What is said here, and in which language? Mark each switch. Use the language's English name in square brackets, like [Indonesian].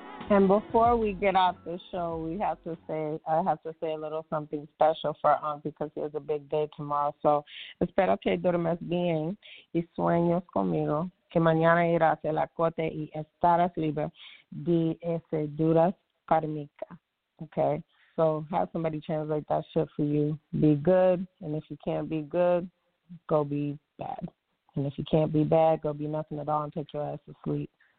[English] And before we get off the show, we have to say, I have to say a little something special for Aunt because he has a big day tomorrow. So, [Spanish] espero que duermes bien y sueños conmigo, que mañana irás a la corte y estarás libre de ese duras karmica. [English] Okay? So, have somebody translate that shit for you. Be good. And if you can't be good, go be bad. And if you can't be bad, go be nothing at all and take your ass to sleep.